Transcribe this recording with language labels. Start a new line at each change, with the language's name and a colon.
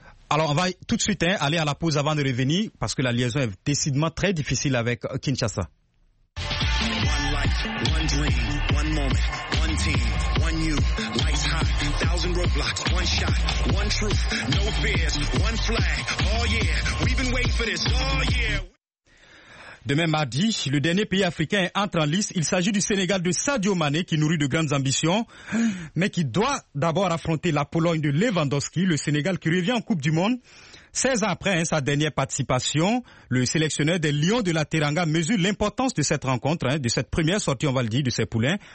French: Alors, on va tout de suite aller à la pause avant de revenir parce que la liaison est décidément très difficile avec Kinshasa.
English: One life, one dream, one moment, one team, one you, life's high, 1,000 roadblocks, one shot, one truth, no fears, one flag, oh yeah, we've been waiting for this, oh yeah.
French: Demain mardi, le dernier pays africain entre en lice. Il s'agit du Sénégal de Sadio Mané qui nourrit de grandes ambitions, mais qui doit d'abord affronter la Pologne de Lewandowski, le Sénégal qui revient en Coupe du Monde. 16 ans après sa dernière participation, le sélectionneur des Lions de la Teranga mesure l'importance de cette rencontre, de cette première sortie, on va le dire, de ses poulains.